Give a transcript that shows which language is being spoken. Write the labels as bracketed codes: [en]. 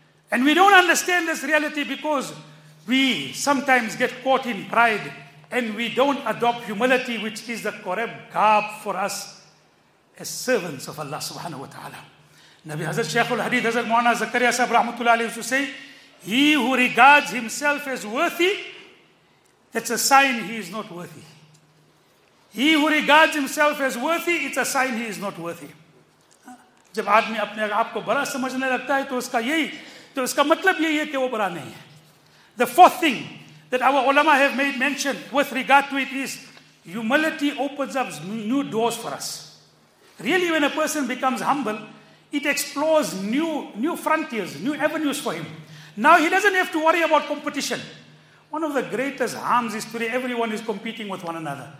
[en] And we don't understand this reality because we sometimes get caught in pride and we don't adopt humility, which is the correct garb for us as servants of Allah subhanahu wa ta'ala. Nabi Hazrat Shaykh al-Hadith Hazrat Mu'ana Zakariya Sahib Rahmatullah Alayhi used to say, he who regards himself as worthy, that's a sign he is not worthy. He who regards himself as worthy, it's a sign he is not worthy. [ur] جب آدمی اپنے آپ کو بڑا سمجھنے لگتا ہے تو اس کا یہی تو اس کا مطلب یہی ہے کہ وہ بڑا نہیں ہے. [en] The fourth thing that our ulama have made mention with regard to it is humility opens up new doors for us. Really, when a person becomes humble, it explores new frontiers, new avenues for him. Now he doesn't have to worry about competition. One of the greatest harms is today everyone is competing with one another.